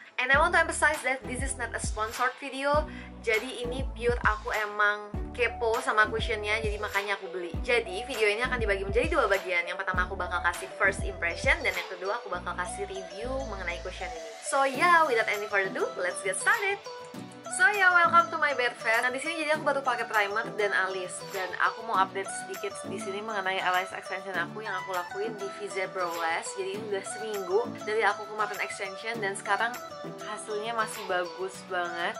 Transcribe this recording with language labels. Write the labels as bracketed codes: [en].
[en] And I want to emphasize that this is not a sponsored video. [id] Jadi ini pure aku emang kepo sama cushionnya, jadi makanya aku beli. Jadi video ini akan dibagi menjadi dua bagian. Yang pertama aku bakal kasih first impression, dan yang kedua aku bakal kasih review mengenai cushion ini. [en] So yeah, without any further ado, let's get started. So ya, yeah, welcome to my bed fest. [id] Nah di sini jadi aku baru pakai primer dan alis, dan aku mau update sedikit di sini mengenai alis extension aku yang aku lakuin di VZ Brawless. Jadi ini udah seminggu dari aku kemarin extension, dan sekarang hasilnya masih bagus banget.